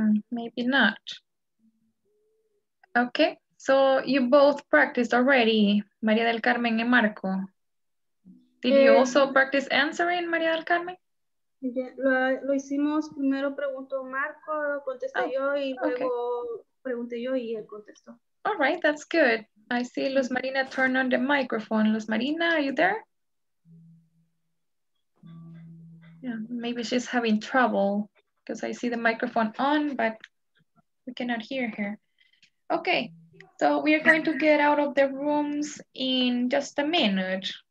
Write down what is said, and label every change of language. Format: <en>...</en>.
<en>Maybe not. Okay, so you both practiced already, Maria del Carmen and Marco. Did you also practice answering, Maria del Carmen?</en> <es>Yeah, lo hicimos, primero preguntó Marco, contesté yo, y luego pregunté yo y él contestó.</es> <en>All right, that's good. I see Luz Marina turn on the microphone. Luz Marina, are you there? Yeah, maybe she's having trouble. Because I see the microphone on, but we cannot hear her. Okay, so we are going to get out of the rooms in just a minute.</en>